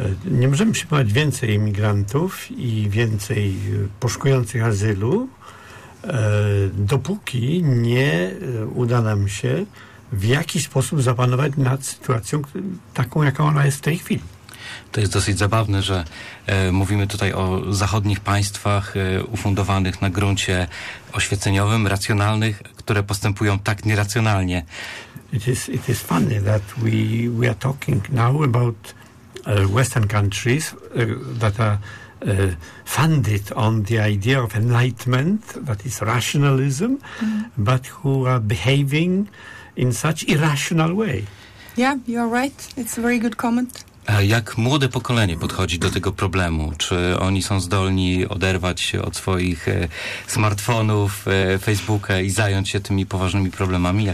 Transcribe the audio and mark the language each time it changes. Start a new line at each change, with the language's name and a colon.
Polish: Nie możemy przyjmować więcej imigrantów i więcej poszukujących azylu, dopóki nie uda nam się w jakiś sposób zapanować nad sytuacją taką, jaką ona jest w tej chwili. To jest dosyć zabawne, że mówimy tutaj o zachodnich państwach ufundowanych na gruncie oświeceniowym, racjonalnych, które postępują tak nieracjonalnie.
English: It is funny that we are talking now about Western countries that are funded on the idea of enlightenment, that is rationalism, but who are behaving in such irrational way. Yeah, you are right. It's a very good comment.
Polish: A jak młode pokolenie podchodzi do tego problemu? Czy oni są zdolni oderwać się od swoich smartfonów, Facebooka i zająć się tymi poważnymi problemami?